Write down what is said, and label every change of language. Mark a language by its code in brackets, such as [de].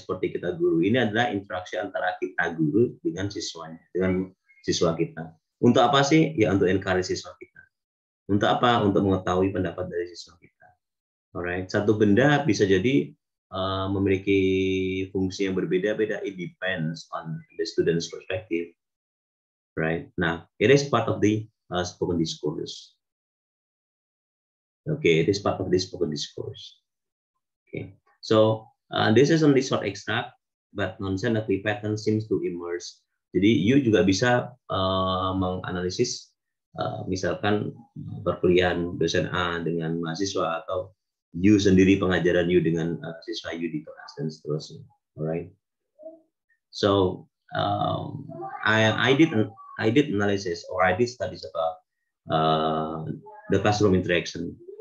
[id] Seperti kita guru, ini adalah interaksi antara kita guru dengan siswanya, dengan siswa kita. Untuk apa sih? Ya untuk encourage siswa kita. Untuk apa? Untuk mengetahui pendapat dari siswa kita. Alright, satu benda bisa jadi memiliki fungsi yang berbeda-beda. [en] It depends on the student's perspective, right? Nah, it is part of the spoken discourse. Okay, it is part of this spoken discourse. Okay, so this is only short extract, but nonsensical pattern seems to emerge. [id] Jadi, you juga bisa menganalisis, misalkan perkuliahan dosen A dengan mahasiswa atau you sendiri pengajaran you dengan siswa you di kelas dan seterusnya. [en] Alright. So I did analysis or I did studies about the classroom interaction.